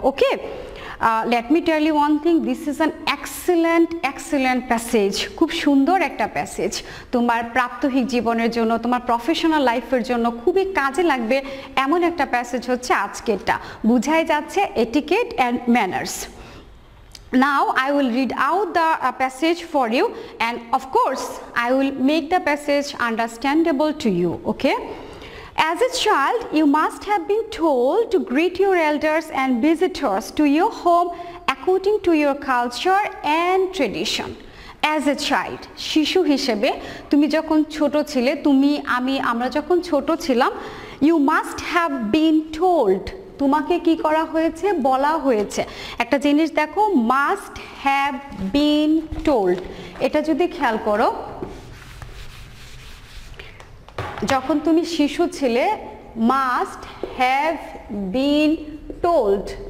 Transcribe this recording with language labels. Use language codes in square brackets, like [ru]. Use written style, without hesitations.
[en] okay, let me tell you one thing, this is an excellent excellent passage, [bn] খুব সুন্দর একটা passage, তোমার প্রাত্যহিক জীবনের জন্য, তোমার প্রফেশনাল লাইফের জন্য খুবই কাজে লাগবে এমন একটা প্যাসেজ হচ্ছে আজকেরটা। বুঝাই যাচ্ছে etiquette and manners. [en] Now I will read out the passage for you, and of course I will make the passage understandable to you, okay? As a child, you must have been told to greet your elders and visitors to your home according to your culture and tradition. As a child, [bn] শিশু হিসেবে তুমি যখন ছোট ছিলে, তুমি আমি আমরা যখন ছোট ছিলাম, [en] you must have been told, [bn] তোমাকে কি করা হয়েছে, বলা হয়েছে। একটা জিনিস দেখো, [en] must have been told, [bn] এটা যদি খেয়াল করো, যখন তুমি শিশু ছিলে মাস্ট হ্যাভ বিন টোল্ড,